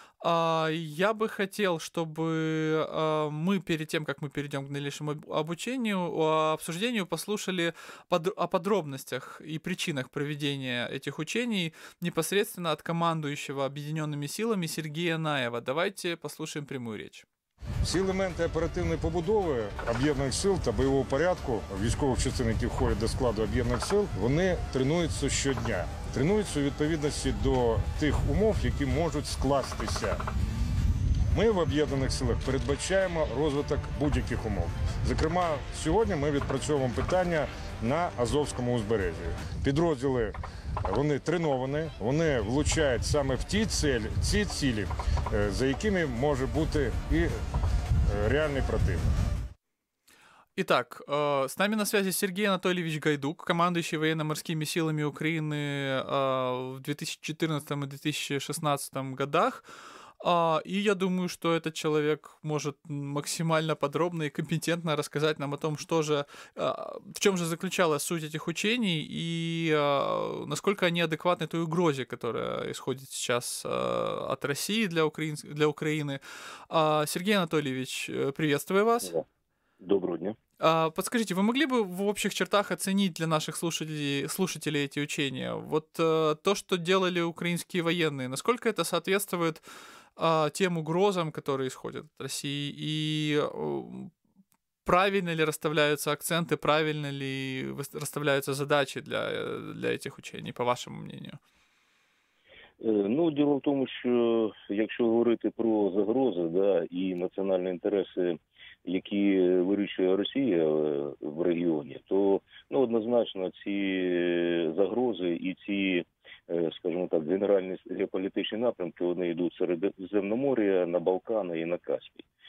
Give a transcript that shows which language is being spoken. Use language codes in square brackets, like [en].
[ru] Я бы хотел, чтобы мы перед тем, как мы перейдем к дальнейшему обучению, обсуждению, послушали о подробностях и причинах проведения этих учений непосредственно от командующего Объединенными силами Сергея Наева. Давайте послушаем прямую речь. [uk] Всі елементи оперативної побудови об'єднаних сил та бойового порядку, військових частин, які входять до складу об'єднаних сил, вони тренуються щодня. Тренуються у відповідності до тих умов, які можуть скластися. Ми в об'єднаних силах передбачаємо розвиток будь-яких умов. Зокрема, сьогодні ми відпрацьовуємо питання на Азовському узбережжі. Підрозділи, вони треновані, вони влучають саме в ці цілі, за якими може бути і реальний противник. [ru] Итак, с нами на связи Сергей Анатольевич Гайдук, командующий военно-морскими силами Украины в 2014 и 2016 годах. И я думаю, что этот человек может максимально подробно и компетентно рассказать нам о том, что же, в чем же заключалась суть этих учений и насколько они адекватны той угрозе, которая исходит сейчас от России для Украины. Сергей Анатольевич, приветствую вас. [uk] Доброго дня. [ru] Подскажите, вы могли бы в общих чертах оценить для наших слушателей эти учения? Вот то, что делали украинские военные, насколько это соответствует тем угрозам, которые исходят от России, и правильно ли расставляются акценты, правильно ли расставляются задачи для этих учений, по вашему мнению? Ну, дело в том, что, если говорить про загрозы, да, и национальные интересы, [uk] які вирішує Росія в регіоні, то ну, однозначно ці загрози і ці, скажімо так, генеральні геополітичні напрямки, вони йдуть в Середземномор'я, на Балкани і на Каспій.